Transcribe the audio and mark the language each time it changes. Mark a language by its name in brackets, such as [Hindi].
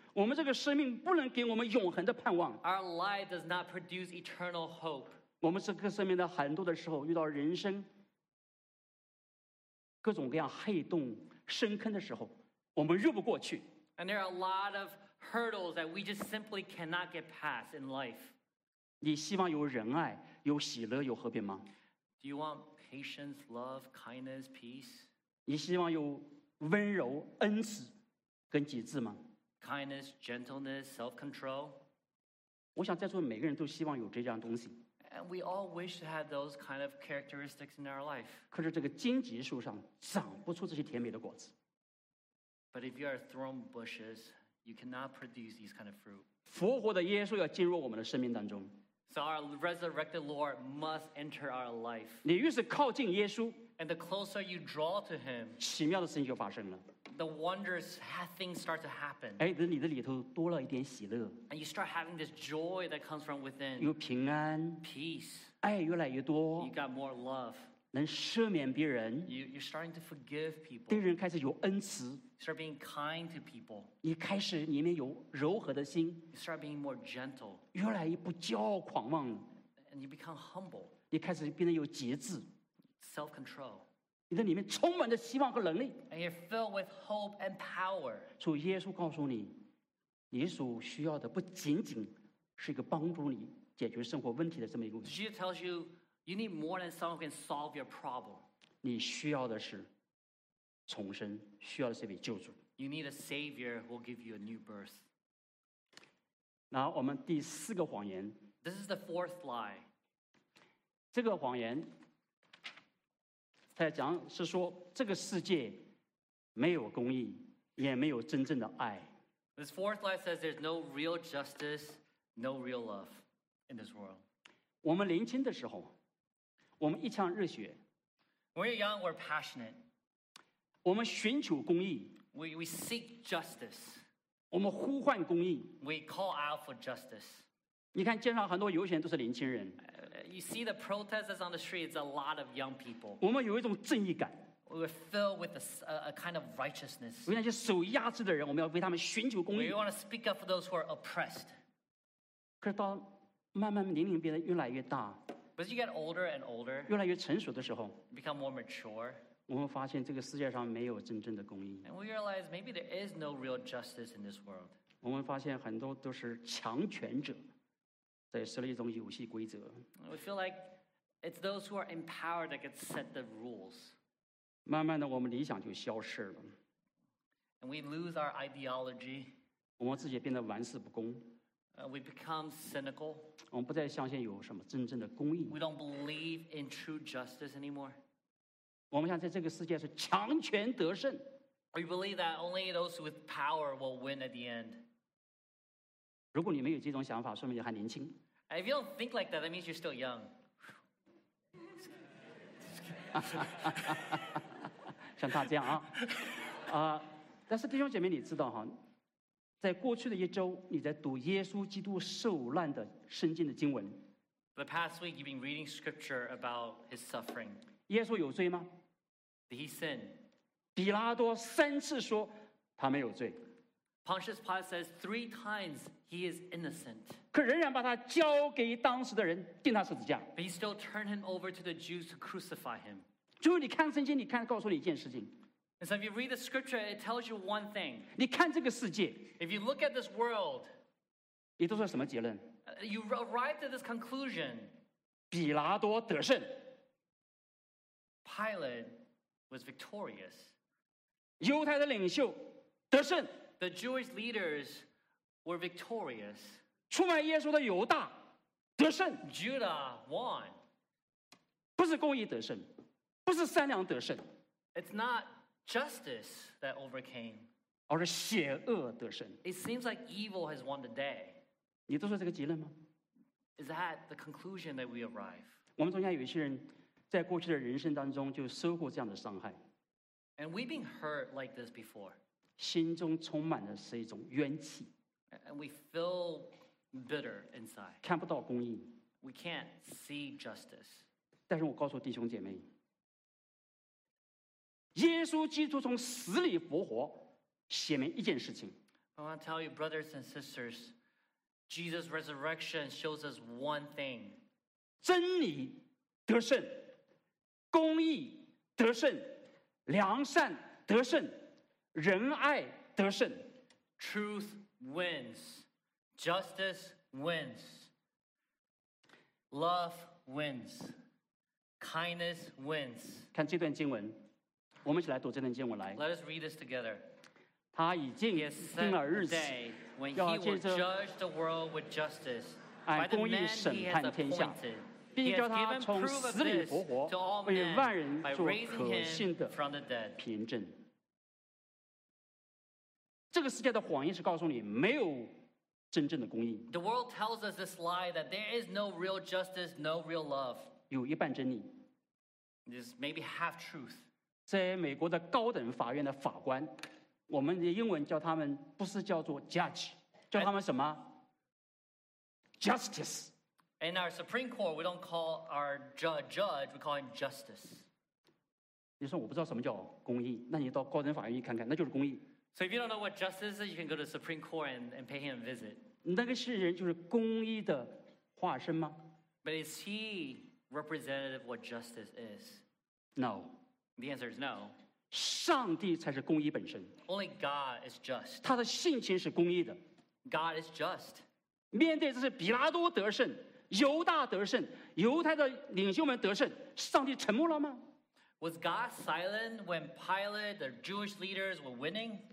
[Chinese] 我们这个生命不能给我们永恒的盼望。 [English] Our life does not produce eternal hope. [Chinese] 我们这个生命的很多的时候遇到人生各种各样黑洞深坑的时候，我们越不过去。 [English] And there are a lot of hurdles that we just simply cannot get past in life. [Chinese] 你希望有仁爱、有喜乐、有和平吗？ [English] Do you want patience, love, kindness, peace? [Chinese] 你希望有温柔、恩慈跟节制吗？ [English] Kindness, gentleness, self-control. [Chinese] 我想在座每个人都希望有这样东西。 [English] And we all wish to have those kind of characteristics in our life. [Chinese] 可是这个荆棘树上长不出这些甜美的果子。 [English] But if you are thorn bushes, you cannot produce these kind of fruit. [Chinese] 复活的耶稣要进入我们的生命当中。 [English] So our resurrected Lord must enter our life. [Chinese] 你越是靠近耶稣， [English] and the closer you draw to him, [Chinese] 奇妙的事情就发生了。 [English] The wondrous things start to happen. [Chinese] 哎，那你的里头多了一点喜乐。 [English] And you start having this joy that comes from within. [Chinese] 有平安。 [English] Peace. [Chinese] 爱越来越多。 [English] You got more love. [Chinese] 能赦免别人。 [English] You're starting to forgive people. [Chinese] 对人开始有恩慈。 [English] Start being kind to people. [Chinese] 你开始里面有柔和的心。 [English] You start being more gentle. [Chinese] 越来越不骄傲狂妄。 [English] And you become humble. [Chinese] 你开始变得有节制。 [English] Self-control. [Chinese] 你的里面充满着希望和能力。 [English] And you're filled with hope and power. [Chinese] 主耶稣告诉你，你所需要的不仅仅是一个帮助你解决生活问题的这么一个。 [English] Jesus tells you, you need more than someone who can solve your problem. [Chinese] 你需要的是重生，需要的是一位救主。 [English] You need a savior who will give you a new birth. [Chinese] 然后我们第四个谎言。 [English] This is the fourth lie. [Chinese] 这个谎言。他讲是说这个世界没有公义，也没有真正的爱。 [English] This fourth lie says there's no real justice, no real love in this world. [Chinese] 我们年轻的时候，我们一腔热血。 [English] When we're young, we're passionate. [Chinese] 我们寻求公义。 [English] We seek justice. [Chinese] 我们呼唤公义。 [English] We call out for justice. [Chinese] 你看街上很多游行都是年轻人。 [English] You see the protesters on the streets, a lot of young people. [Chinese] 我们有一种正义感。 [English] We're filled with a kind of righteousness. [Chinese] 为那些受压制的人，我们要为他们寻求公义。 [English] We want to speak up for those who are oppressed. [Chinese] 可是到慢慢年龄变得越来越大。 [English] But as you get older and older, [Chinese] 越来越成熟的时候， [English] become more mature, [Chinese] 我们发现这个世界上没有真正的公义。 [English] And we realize maybe there is no real justice in this world. [Chinese] 我们发现很多都是强权者。在设立一种游戏规则。 [English] We feel like it's those who are in power that get set the rules. [Chinese] 慢慢的，我们理想就消失了。 [English] And we lose our ideology. [Chinese] 我们自己变得玩世不恭。 [English] We become cynical. [Chinese] 我们不再相信有什么真正的公义。 [English] We don't believe in true justice anymore. [Chinese] 我们想在这个世界是强权得胜。 [English] We believe that only those with power will win at the end. [Chinese] 如果你没有这种想法，说明你还年轻。 [English] If you don't think like that, that means you're still young. [Chinese] 像他这样啊，但是弟兄姐妹，你知道哈，在过去的一周，你在读耶稣基督受难的圣经的经文。 [English] The past week, you've been reading scripture about his suffering. [Chinese] 耶稣有罪吗 [English] ？Did he sin? [Chinese] 比拉多三次说他没有罪。 [English] Pontius Pilate says three times he is innocent. [Chinese] 可仍然把他交给当时的人，钉他十字架。 [English] But he still turned him over to the Jews to crucify him. [Chinese] 就你看圣经，你看告诉你一件事情。 [English] And so if you read the scripture, it tells you one thing. [Chinese] 你看这个世界。 [English] If you look at this world, [Chinese] 你得出什么结论 [English] ？You arrived at this conclusion. [Chinese] 比拉多得胜。 [English] Pilate was victorious. [Chinese] 犹太的领袖得胜。 [English] The Jewish leaders were victorious. [Chinese] 出卖耶稣的犹大得胜。 [English] Judah won. [Chinese] 不是公义得胜，不是善良得胜。 [English] It's not justice that overcame. [Chinese] 而是邪恶得胜。 [English] It seems like evil has won the day. [Chinese] 你都说这个结论吗 [English] ？Is that the conclusion that we arrive? [Chinese] 我们中间有一些人在过去的人生当中就受过这样的伤害。 [English] And we've been hurt like this before. [Chinese] 心中充满的是一种怨气 [English] ，and we feel bitter inside. [Chinese] 看不到公义 [English] ，we can't see justice. [Chinese] 但是我告诉弟兄姐妹，耶稣基督从死里复活，显明一件事情。 [English] I want to tell you, brothers and sisters, Jesus' resurrection shows us one thing: [Chinese] 真理得胜，公义得胜，良善得胜。仁爱得胜 [English] ，truth wins, justice wins, love wins, kindness wins. [Chinese] 看这段经文，我们一起来读这段经文来。 [English] Let us read this together. [Chinese] 他已经定了日子，要借着 [English] judge the world with justice by the man he has appointed, [Chinese] 并叫他从死里复活，为万人做可信的凭证。这个世界的谎言是告诉你没有真正的公义。 [English] The world tells us this lie that there is no real justice, no real love. [Chinese] 有一半真理。 [English] This may be half truth. [Chinese] 在美国的高等法院的法官，我们的英文叫他们不是叫做 judge， 叫他们什么 ？Justice. [English] In our Supreme Court, we don't call our judge, we call him justice. [Chinese] 你说我不知道什么叫公义，那你到高等法院一看看，那就是公义。 [English] So if you don't know what justice is, you can go to the Supreme Court and pay him a visit. [Chinese] 那个是人就是公义的化身吗 [English] ？But is he representative of what justice is? No. The answer is no. [Chinese] 上帝才是公义本身。 [English] Only God is just. [Chinese] 他的性情是公义的。 [English] God is just. [Chinese] 面对这是比拉多得胜，犹大得胜，犹太的领袖们得胜，上帝沉默了吗？ [English] Was God silent when Pilate, the Jewish leaders, were winning?